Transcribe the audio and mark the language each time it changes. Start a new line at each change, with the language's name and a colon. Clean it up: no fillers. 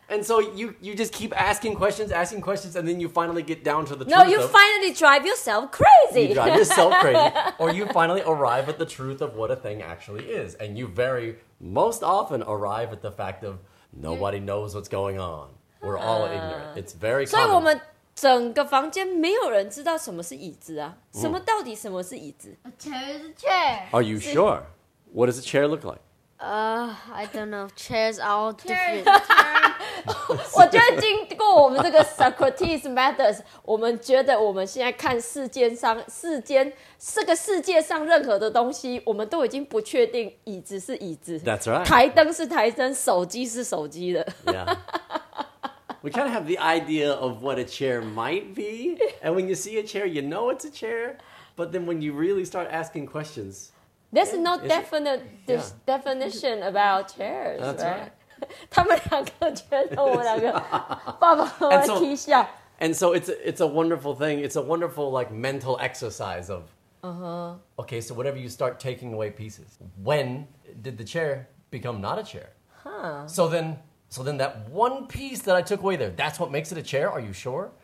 English: And so you just keep asking questions, and then you finally get down to the truth. No, you finally drive yourself crazy. You drive yourself crazy. Or you finally arrive at the truth of what a thing actually is. And you very most often arrive at the fact of nobody knows what's going on. We're all ignorant. It's very common.
Chinese: 所以我们整个房间没有人知道什么是椅子啊. Mm. 什么到底什么是椅子?
English: A chair is a chair. Are you sure? What does a chair look like? I don't know. Chairs are all different.
Chinese: 我觉得经过我们这个 Socrates methods， 我们觉得我们现在看世界上任何的东西，我们都已经不确定椅子是椅子。
English: That's right.
Chinese: 台灯是台灯，手机是手机的。
English: Yeah. We kind of have the idea of what a chair might be, and when you see a chair, you know it's a chair. But then when you really start asking questions. There's no definition about chairs, right?
Chinese: 他们两个觉得我两个爸爸妈妈踢笑。
English: And so it's a wonderful thing. It's a wonderful like mental exercise of, okay, so whatever you start taking away pieces, when did the chair become not a chair? Huh. So then that one piece that I took away there, that's what makes it a chair? Are you sure?